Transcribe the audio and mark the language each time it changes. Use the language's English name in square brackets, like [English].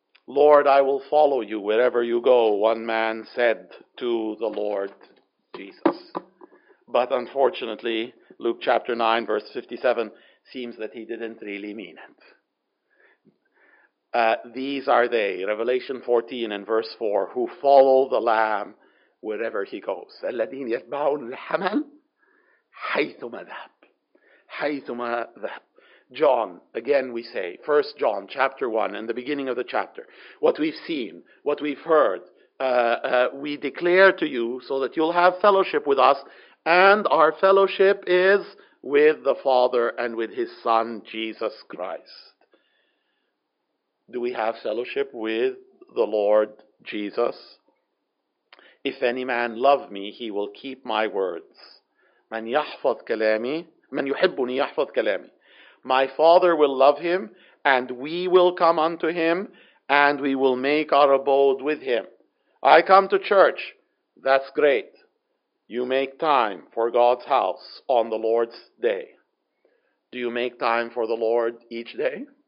[English] Lord, I will follow you wherever you go, one man said to the Lord Jesus. But unfortunately, Luke chapter 9, verse 57, seems that he didn't really mean it. These are they, Revelation 14 and verse 4, who follow the Lamb wherever he goes. [Arabic] الذين يتبعون الحمل حيثما ذهب. حيثما ذهب. [English] John, again we say, 1 John chapter 1 and the beginning of the chapter, what we've seen, what we've heard, we declare to you so that you'll have fellowship with us, and our fellowship is with the Father and with his Son, Jesus Christ. Do we have fellowship with the Lord Jesus? If any man love me, he will keep my words. [Arabic] من يحفظ كلامي, من يحبني يحفظ كلامي. [English] My Father will love him, and we will come unto him, and we will make our abode with him. I come to church. That's great. You make time for God's house on the Lord's day. Do you make time for the Lord each day?